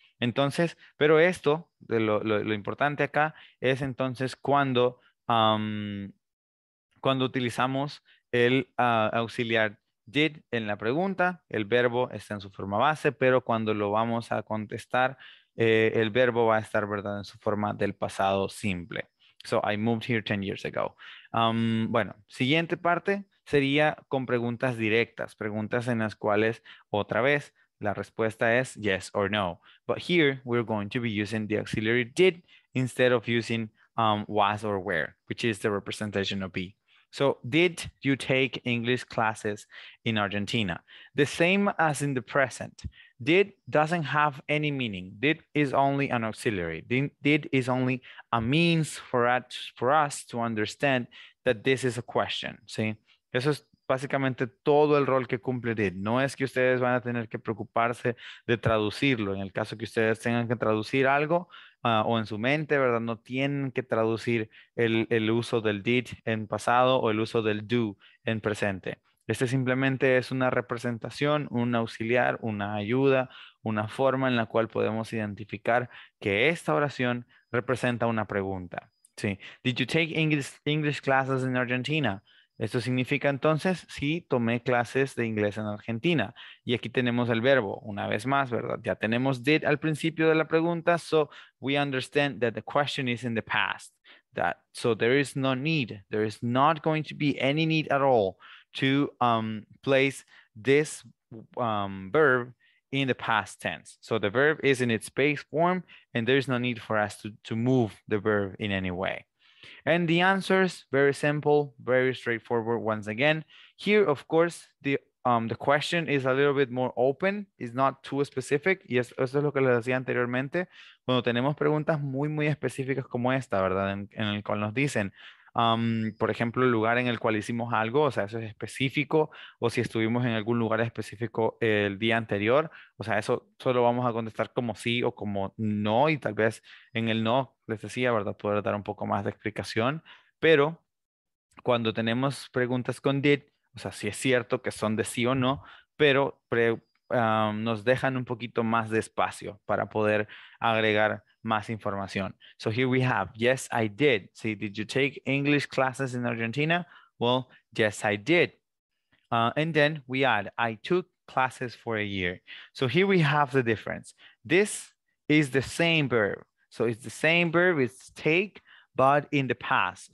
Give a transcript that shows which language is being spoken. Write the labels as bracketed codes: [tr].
[es] Entonces, pero esto, lo importante acá es entonces cuando cuando utilizamos el auxiliar did en la pregunta, el verbo está en su forma base, pero cuando lo vamos a contestar, el verbo va a estar, ¿verdad?, en su forma del pasado simple. [en] So I moved here 10 years ago. [es] Bueno, siguiente parte sería con preguntas directas, preguntas en las cuales otra vez la respuesta es [en] yes or no. But here we're going to be using the auxiliary did instead of using was or were, which is the representation of be. So did you take English classes in Argentina? The same as in the present. Did doesn't have any meaning. Did is only an auxiliary. Did is only a means for us to understand that this is a question. [es] ¿Sí? Eso es básicamente todo el rol que cumple did. No es que ustedes van a tener que preocuparse de traducirlo. En el caso que ustedes tengan que traducir algo, o en su mente, ¿verdad? No tienen que traducir el uso del did en pasado o el uso del do en presente. Este simplemente es una representación, un auxiliar, una ayuda, una forma en la cual podemos identificar que esta oración representa una pregunta. Sí. [en] Did you take English classes in Argentina? [es] Esto significa entonces, sí, tomé clases de inglés en Argentina. Y aquí tenemos el verbo, una vez más, ¿verdad? Ya tenemos did al principio de la pregunta, [en] so we understand that the question is in the past. That, so there is no need, there is not going to be any need at all to place this verb in the past tense. So the verb is in its base form and there is no need for us to move the verb in any way. And the answers, very simple, very straightforward once again. Here, of course, the question is a little bit more open, it's not too specific. [es] Y eso es lo que les decía anteriormente. Cuando tenemos preguntas muy, muy específicas como esta, ¿verdad? En el cual nos dicen, por ejemplo, el lugar en el cual hicimos algo, o sea, eso es específico, o si estuvimos en algún lugar específico el día anterior, o sea, eso solo vamos a contestar como sí o como no, y tal vez en el no, les decía, ¿verdad? Poder dar un poco más de explicación, pero cuando tenemos preguntas con did, o sea, si es cierto que son de sí o no, pero nos dejan un poquito más de espacio para poder agregar más información. [en] So here we have, yes, I did. See, did you take English classes in Argentina? Well, yes, I did. And then we add, I took classes for a year. So here we have the difference. This is the same verb. So it's the same verb, it's take, but in the past.